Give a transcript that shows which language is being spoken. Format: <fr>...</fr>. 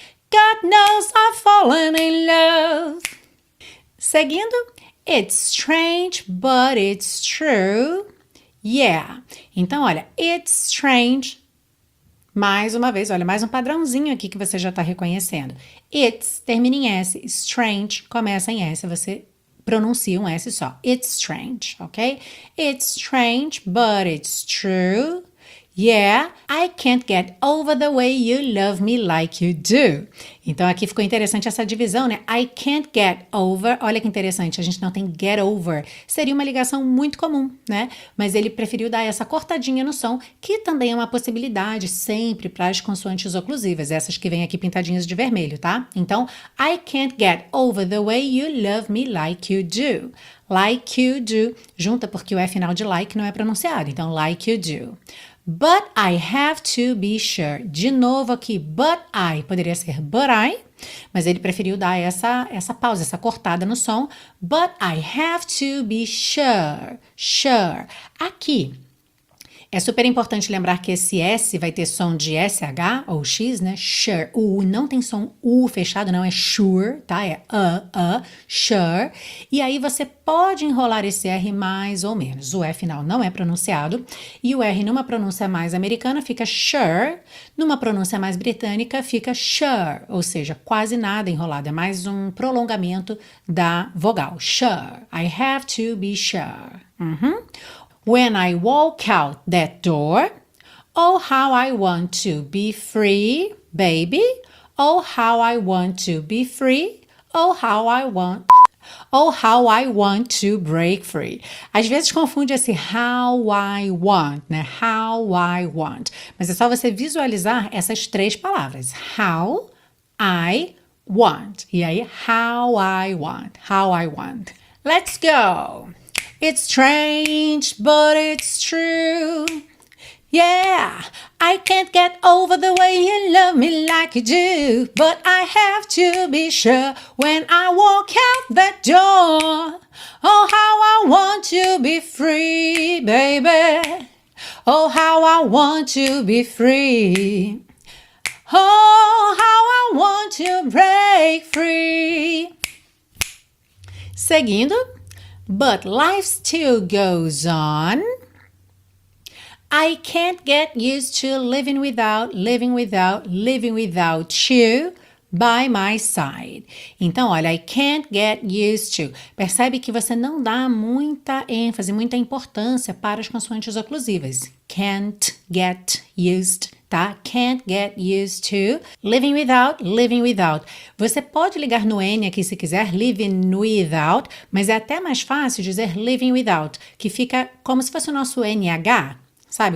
<en>God knows I've fallen in love.</en> <pt>Seguindo,</pt> <en>it's strange, but it's true. Yeah.</en> <pt>Então, olha,</pt> <en>it's strange.</en> <pt>Mais uma vez, olha, mais um padrãozinho aqui que você já está reconhecendo. It's termina em S, strange começa em S, você pronuncia um S só.</pt> <en>It's strange, ok? It's strange, but it's true. Yeah, I can't get over the way you love me like you do.</en> <pt>Então, aqui ficou interessante essa divisão, né?</pt> <en>I can't get over.</en> <pt>Olha que interessante, a gente não tem get over. Seria uma ligação muito comum, né? Mas ele preferiu dar essa cortadinha no som, que também é uma possibilidade sempre para as consoantes oclusivas, essas que vêm aqui pintadinhas de vermelho, tá? Então,</pt> <en>I can't get over the way you love me like you do. Like you do.</en> <pt>Junta porque o F final de like não é pronunciado. Então, like you do.</pt> <en>But I have to be sure.</en> <pt>De novo aqui,</pt> <en>but I.</en> <pt>Poderia ser but I, mas ele preferiu dar essa pausa, essa cortada no som.</pt> <en>But I have to be sure. Sure.</en> <pt>Aqui, é super importante lembrar que esse S vai ter som de SH ou X, né? Sure. U não tem som U fechado, não. É sure, tá? É sure. E aí você pode enrolar esse R mais ou menos. O E final não é pronunciado. E o R numa pronúncia mais americana fica sure. Numa pronúncia mais britânica fica sure. Ou seja, quase nada enrolado. É mais um prolongamento da vogal.</pt> <en>Sure. I have to be sure. Uhum. When I walk out that door, oh, how I want to be free, baby. Oh, how I want to be free. Oh, how I want... Oh, how I want to break free.</en> <pt>Às vezes confunde esse</pt> <en>how I want,</en> <pt>né? How I want. Mas é só você visualizar essas três palavras.</pt> <en>How I want.</en> <pt>E aí,</pt> <en>how I want. How I want. Let's go. It's strange, but it's true. Yeah, I can't get over the way you love me like you do. But I have to be sure when I walk out that door. Oh, how I want to be free, baby. Oh, how I want to be free. Oh, how I want to break free.</en> <pt>Seguindo.</pt> <en>But life still goes on. I can't get used to living without you by my side.</en> <pt>Então, olha,</pt> <en>I can't get used to.</en> <pt>Percebe que você não dá muita ênfase, muita importância para as consoantes oclusivas.</pt> <en>Can't get used, tá? Can't get used to living without.</en> <pt>Você pode ligar no N aqui se quiser, living without, mas é até mais fácil dizer living without, que fica como se fosse o nosso NH, sabe?</pt>